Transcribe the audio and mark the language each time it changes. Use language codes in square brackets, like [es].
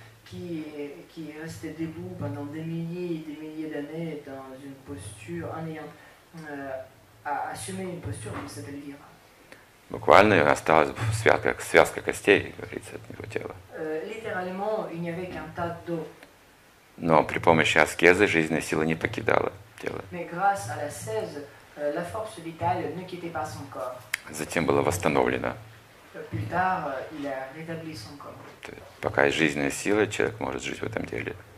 [fr] Qui est resté debout pendant des milliers et des milliers d'années dans une posture, en ayant assumé une posture qui s'appelle Vira. [ru] Буквально осталась связка костей, говорится, от него тела. [fr] Littéralement, il n'y avait qu'un tas d'os. [ru] Но при помощи аскезы жизненная сила не покидала тело. [fr] Mais grâce à l'ascèse, la force vitale ne quittait pas son corps. [ru] Затем было восстановлено. [fr] Plus tard, il a rétabli son corps. [ru] Пока есть жизненная сила, человек может жить в этом теле.